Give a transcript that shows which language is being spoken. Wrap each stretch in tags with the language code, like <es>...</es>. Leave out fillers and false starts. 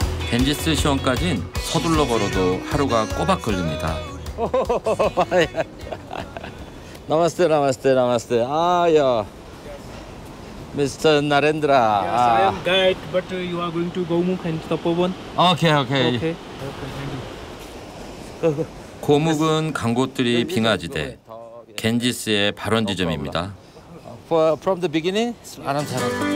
<ko>갠지스 시원까지는 서둘러 걸어도 하루가 꼬박 걸립니다. 나마스테 나마스테 나마스테. 아, 야. 미스터 나렌드라.</ko> <en>Yes, I am guide, but you are going to Gomukh and Tapovan. Okay.</en> <ko>고묵은 강고들이 빙하지대. 갠지스의 발원 지점입니다.</ko> <en>From the beginning, 아람사람.</en>